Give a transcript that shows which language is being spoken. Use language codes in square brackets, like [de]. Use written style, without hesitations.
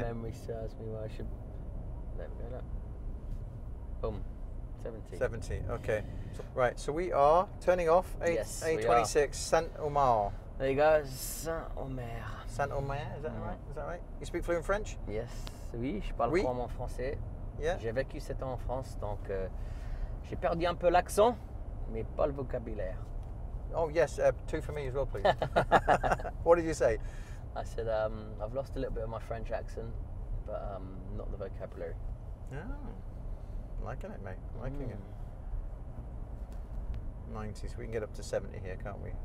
[en] If my memory serves me well, I should... Let me go up. Boom. 70. Okay. So, right, so we are turning off A26, Saint-Omer. There you go, Saint-Omer. Saint-Omer, is that right? Is that right? You speak fluent French? [fr] Yes, oui, je parle couramment français. [en] Yeah. [fr] J'ai vécu 7 ans en France, donc j'ai perdu un peu l'accent, mais pas le vocabulaire. [en] Oh yes, two for me as well, please. What did you say? I said I've lost a little bit of my French accent, but not the vocabulary. Oh, liking it, mate. Liking it. 90, so we can get up to 70 here, can't we?